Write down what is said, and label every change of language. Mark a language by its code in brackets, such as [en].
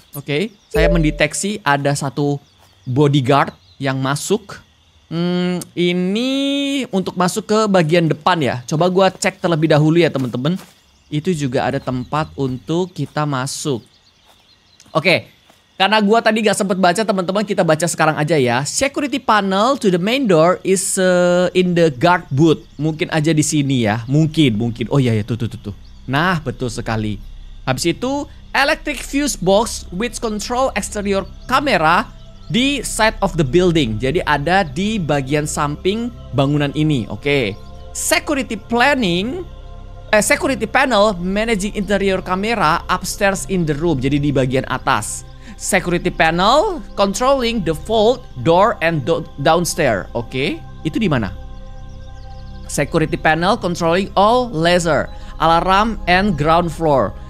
[id] Oke, saya mendeteksi ada satu bodyguard yang masuk. Ini untuk masuk ke bagian depan ya. Coba gue cek terlebih dahulu ya teman-teman. Itu juga ada tempat untuk kita masuk. Oke, karena gue tadi gak sempet baca teman-teman, kita baca sekarang aja ya. [en] Security panel to the main door is in the guard booth. [id] Mungkin aja di sini ya. Mungkin. Oh iya ya, tuh. Nah, betul sekali. Habis itu [en] electric fuse box which control exterior camera di side of the building. [id] Jadi ada di bagian samping bangunan ini. [en] Oke. Security planning. Security panel managing interior camera upstairs in the room. [id] Jadi di bagian atas. [en] Security panel controlling the vault door and downstairs. Oke. [id] Itu di mana? [en] Security panel controlling all laser, alarm and ground floor.